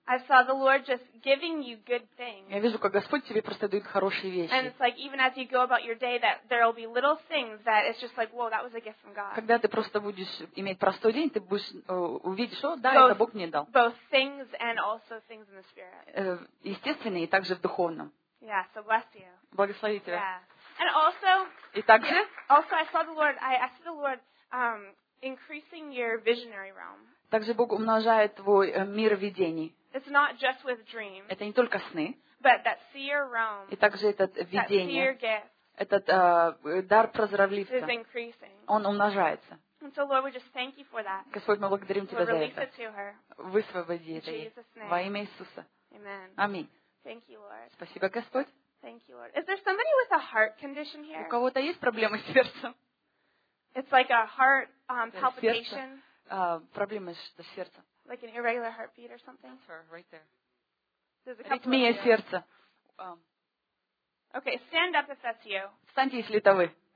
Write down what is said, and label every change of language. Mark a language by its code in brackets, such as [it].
[en] I saw the Lord just giving you good things. [ru] Я вижу, как Господь тебе просто дает хорошие вещи. [en] And it's like even as you go about your day, that there will be little things that it's just like, whoa, that was a gift from God. [ru] Когда ты просто будешь иметь простой день, ты будешь увидеть, что да, это Бог мне дал. [en] Both things and also things in the spirit. [ru] Естественные и также в духовном. [en] Yeah, so bless you. [ru] Благослови тебя. [en] Yeah. And also, [ru] и также, [en] also I saw the Lord, I see the Lord increasing your visionary realm. [ru] Также Бог умножает твой мир видений. [en] It's not just with dreams. [ru] Это не только сны. [en] But that seer realm. [ru] И также этот видение. [en] That seer gift. [ru] Этот дар прозорливца. [en] Is increasing. [ru] Он умножается. [en] And so Lord, we just thank you for that. [ru] Господь, мы благодарим тебя [en] Lord, [ru] за это. [en] Release it to her. [ru] Высвободи это ей. Во имя Иисуса. [en] Amen. [ru] Аминь. [en] Thank you, Lord. [ru] Спасибо, Господь. [en] Thank you, Lord. Is there somebody with a heart condition here? [ru] У кого-то есть проблемы с сердцем? [en] It's like a heart palpitation. [ru] Проблемы с сердцем. [en] Like an irregular heartbeat or something? That's her, right there. There's a couple of you. [ru] Сердца. [en] Okay, stand up if that's you. [ru] Встаньте, если это вы.